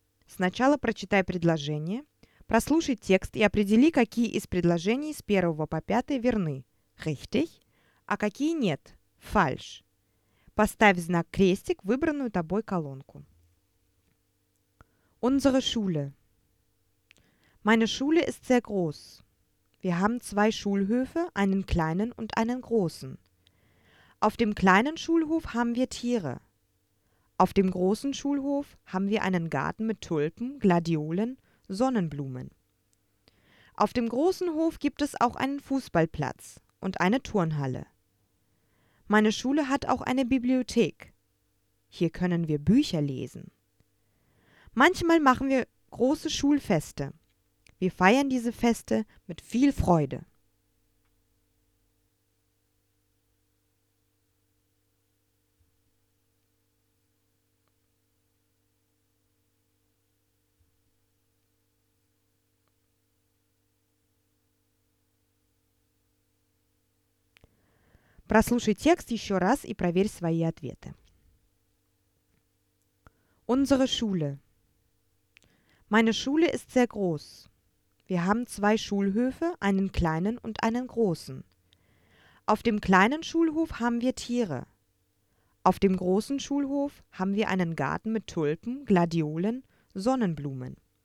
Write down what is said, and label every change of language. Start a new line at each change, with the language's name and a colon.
Russian: Сначала прочитай предложение, прослушай текст и определи, какие из предложений с 1 по 5 верны.
German: Richtig,
Russian: а какие нет.
German: Falsch.
Russian: Поставь знак крестик в выбранную тобой колонку.
German: Unsere Schule. Meine Schule ist sehr groß. Wir haben 2 Schulhöfe, einen kleinen und einen großen. Auf dem kleinen Schulhof haben wir Tiere. Auf dem großen Schulhof haben wir einen Garten mit Tulpen, Gladiolen, Sonnenblumen. Auf dem großen Hof gibt es auch einen Fußballplatz und eine Turnhalle. Meine Schule hat auch eine Bibliothek. Hier können wir Bücher lesen. Manchmal machen wir große Schulfeste. Wir feiern diese Feste mit viel Freude.
Russian: Прослушай текст еще раз и проверь свои ответы.
German: Unsere Schule. Meine Schule ist sehr groß. Wir haben 2 Schulhöfe, einen kleinen und einen großen. Auf dem kleinen Schulhof haben wir Tiere. Auf dem großen Schulhof haben wir einen Garten mit Tulpen, Gladiolen, Sonnenblumen.